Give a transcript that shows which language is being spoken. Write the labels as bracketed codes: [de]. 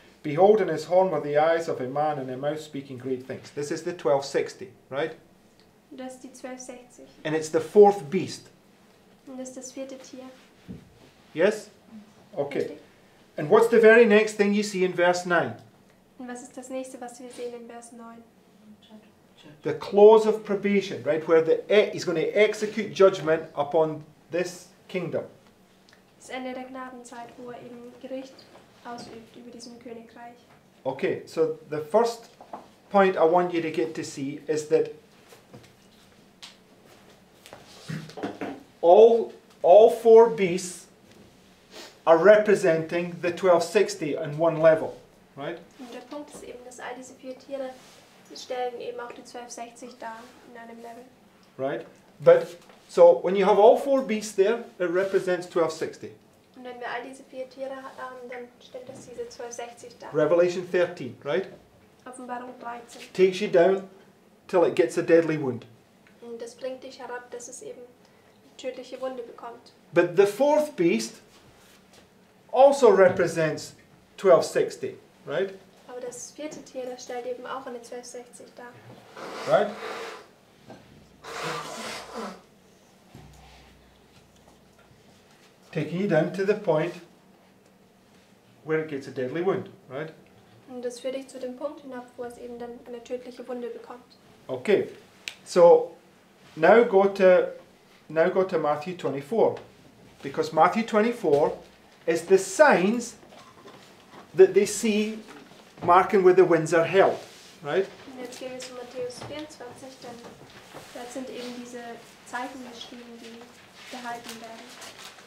[en] Behold, in his horn were the eyes of a man and a mouth speaking great things. This is the 1260, right? [de] Das ist die 1260. [en] And it's the fourth beast. [de] Und das ist das vierte Tier. [en] Yes? Okay. [de] Richtig. [en] And what's the very next thing you see in verse 9? [de] Und was ist das nächste, was wir sehen in Vers 9? [en] The clause of probation, right, where he's going to execute judgment upon this kingdom. [de] Das Ende der Gnadenzeit, wo er eben Gericht ausübt über diesem Königreich. [en] Okay, so the first point I want you to get to see is that all four beasts are representing the 1260 on one level. Right. [de] Und der Punkt ist eben, dass all diese vier Tiere stellen eben auch die 1260 dar in einem Level. [en] Right. But so when you have all four beasts there, it represents 1260. [de] Und wenn wir all diese vier Tiere haben, dann stellt das diese 1260 dar. [en] Revelation 13, right? [de] Offenbarung 13. [en] Takes you down till it gets a deadly wound. [de] Und das bringt dich herab, dass es eben eine tödliche Wunde bekommt. [en] But the fourth beast also represents 1260. Right? [de] Aber das vierte Tier, das stellt eben auch eine 1260 dar. [en] Right? Taking you down to the point where it gets a deadly wound, right? [de] Und das führt dich zu dem Punkt hinab, wo es eben dann eine tödliche Wunde bekommt. [en] Okay. So, now go to Matthew 24. Because Matthew 24 is the signs that they see marking where the winds are held, right? [de] Und jetzt gehen wir zu Matthäus 24, denn da sind eben diese Zeichen geschrieben, die gehalten werden.